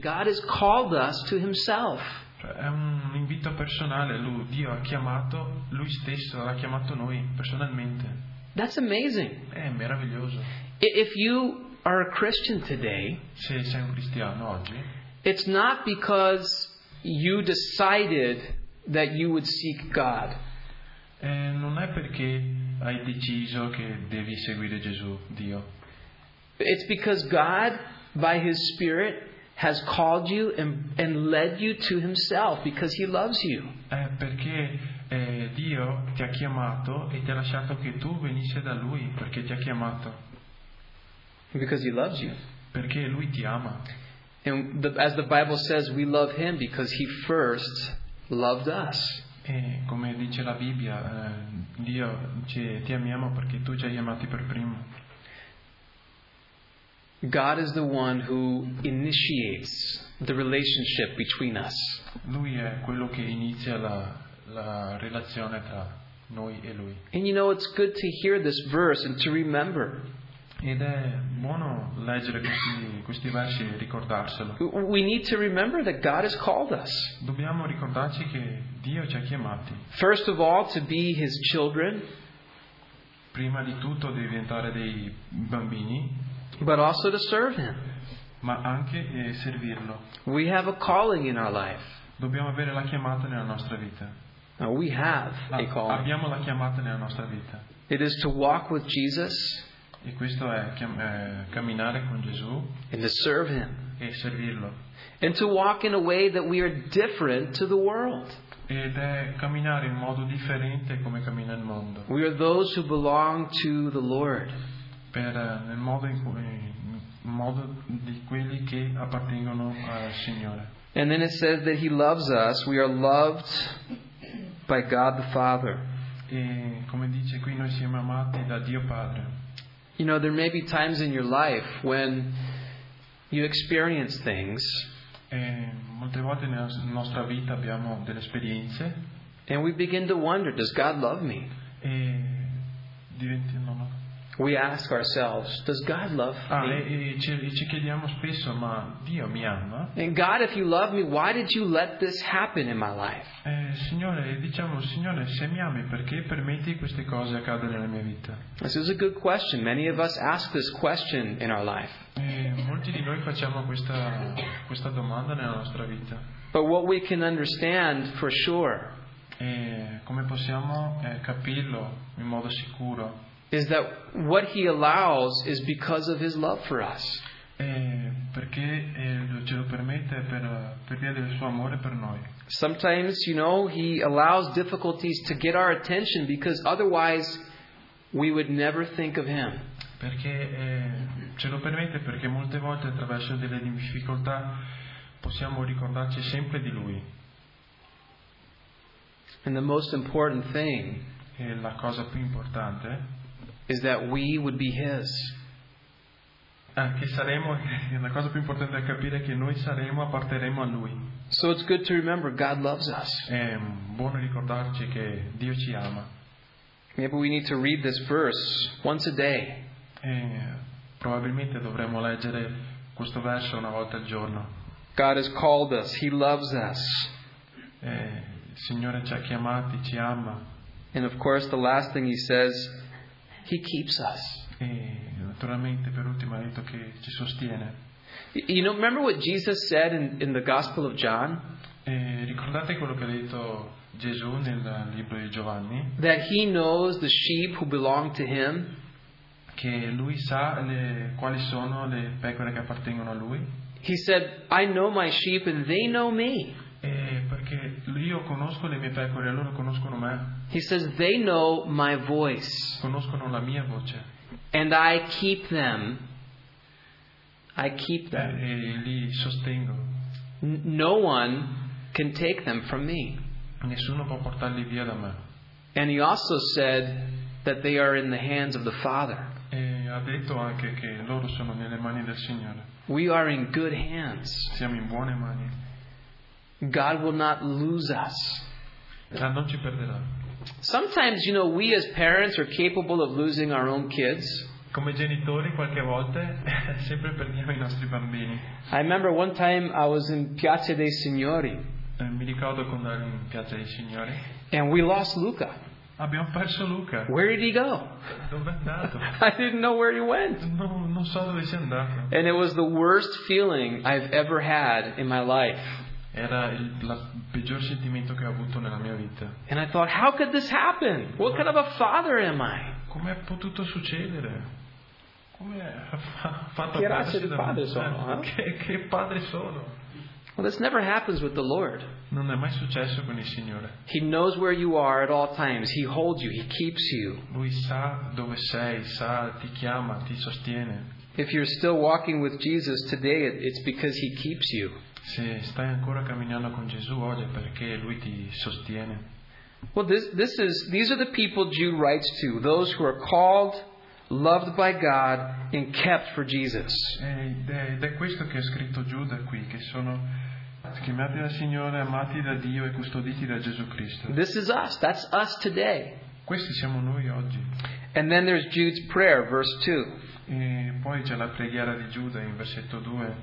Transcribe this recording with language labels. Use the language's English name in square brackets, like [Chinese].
[English] God has called us to Himself. [Italian] È un invito personale. Dio ha chiamato, Lui stesso ha chiamato noi personalmente. [English] That's amazing. [Italian] È meraviglioso. [English] If you are a Christian today, [Italian] se sei un cristiano oggi, [English] it's not because you decided that you would seek God. [Italian] Non è perché hai deciso che devi seguire Gesù, Dio. [English] It's because God, by His Spirit, has called you and led you to Himself because He loves you. [Italian] È perché Dio ti ha chiamato e ti ha lasciato che tu venisse da Lui perché ti ha chiamato. [English] Because He loves you. [Italian] Perché Lui ti ama. [English] And as the Bible says, we love Him because He first loved us. [Italian] E come dice la Bibbia, Dio ti amiamo perché tu ci hai amati per primo. [English] God is the one who initiates the relationship between us. [Italian] Lui è quello che inizia la relazione tra noi e Lui. [English] And you know, it's good to hear this verse and to remember. [Italian] Ed è buono leggere questi versi e ricordarselo. [English] We need to remember that God has called us. [Italian] Dobbiamo ricordarci che Dio ci ha chiamati. [English] First of all, to be His children. [Italian] Prima di tutto di diventare dei bambini. [English] But also to serve Him. [Italian] Ma anche servirlo. [English] We have a calling in our life. [Italian] Dobbiamo avere la chiamata nella nostra vita. [English] Now we have a calling. [Italian] Abbiamo la chiamata nella nostra vita. [English] It is to walk with Jesus. [Italian] E questo è camminare con Gesù. [English] And to serve Him. [Italian] E servirlo. [English] And to walk in a way that we are different to the world. [Italian] Ed è camminare in modo differente come cammina il mondo. [English] We are those who belong to the Lord. [Italian] Per nel modo in cui modo di quelli che appartengono al Signore. [English] And then it says that He loves us. We are loved by God the Father. [Italian] E come dice qui, noi siamo amati da Dio Padre. [English] You know, there may be times in your life when you experience things. [Italian] E molte volte nella nostra vita abbiamo delle esperienze. [English] And we begin to wonder, does God love me? [Italian] E diventiamo. [English] We ask ourselves, does God love me? [Italian] Ci chiediamo spesso, ma Dio mi ama? [English] And God, if you love me, why did you let this happen in my life? [Italian] Signore, se mi ami, perché permetti queste cose accadere nella mia vita? [English] This is a good question. Many of us ask this question in our life. [Italian] Molti di noi facciamo questa domanda nella nostra vita. [English] But what we can understand for sure. [Italian] Come possiamo capirlo in modo sicuro? [English] Is that what He allows is because of His love for us. [Italian] Perché ce lo permette per via del suo amore per noi. [English] Sometimes, you know, He allows difficulties to get our attention because otherwise we would never think of Him. [Italian] Perché ce lo permette perché molte volte attraverso delle difficoltà possiamo ricordarci sempre di Lui. [English] And the most important thing. [Italian] E la cosa più importante. [English] Is that we would be His. [Italian] Che saremo, la cosa più importante da capire è che noi saremo, apparteremo a Lui. [English] So it's good to remember God loves us. [Italian] È buono ricordarci che Dio ci ama. [English] Maybe we need to read this verse once a day. [Italian] Probabilmente dovremmo leggere questo verso una volta al giorno. [English] God has called us, He loves us. [Italian] Il Signore ci ha chiamati, ci ama. [English] And of course the last thing He says, He keeps us. [Italian] E naturalmente per ultimo ha detto che ci sostiene. [English] You know, remember what Jesus said in the Gospel of John? [Italian] E ricordate quello che ha detto Gesù nel libro di Giovanni? [English] That He knows the sheep who belong to Him. [Italian] Che Lui sa quali sono le pecore che appartengono a Lui. [English] He said, I know my sheep and they know me. [Italian] E perché io conosco le mie pecore e loro conoscono me. [English] He says they know my voice. [Italian] Conoscono la mia voce. [English] And I keep them. I keep them. [Italian] E li sostengo. [English] No one can take them from me. [Italian] Nessuno può portarli via da me. [English] And He also said that they are in the hands of the Father. [Italian] E ha detto anche che loro sono nelle mani del Signore. [English] We are in good hands. [Italian] Siamo in buone mani. [English] God will not lose us. [Italian] Non ci perderà. [English] Sometimes, you know, we as parents are capable of losing our own kids. [Italian] Come genitori qualche volta sempre perdiamo i nostri bambini. [English] I remember one time I was in Piazza dei Signori. [Italian] Mi ricordo quando ero in Piazza dei Signori. [English] And we lost Luca. [Italian] Abbiamo perso Luca. [English] Where did he go? [Italian] Dove è andato? [English] I didn't know where he went. [Italian] Non so dove sia andato. [English] And it was the worst feeling I've ever had in my life. [Italian] Era il peggior sentimento che ho avuto nella mia vita. [English] And I thought, how could this happen? What kind of a father am I? [Italian] Come è potuto succedere? Come è fatto a perdersi da padre sono, che padre sono? [English] Well, this never happens with the Lord. [Italian] Non è mai successo con il Signore. [English] He knows where you are at all times. He holds you. He keeps you. [Italian] Lui sa dove sei, sa, ti chiama, ti sostiene. [English] If you're still walking with Jesus today, it's because He keeps you. [Italian] Se stai ancora camminando con Gesù oggi, è perché Lui ti sostiene. [English] Well, these are the people Jude writes to, those who are called, loved by God, and kept for Jesus. [Italian] Ed è questo che ha scritto Giuda qui, che sono chiamati dal Signore, amati da Dio e custoditi da Gesù Cristo. [English] This is us. That's us today. [Italian] Questi siamo noi oggi. [English] And then there's Jude's prayer, verse 2. [Italian] E poi c'è la preghiera di Giuda in versetto 2.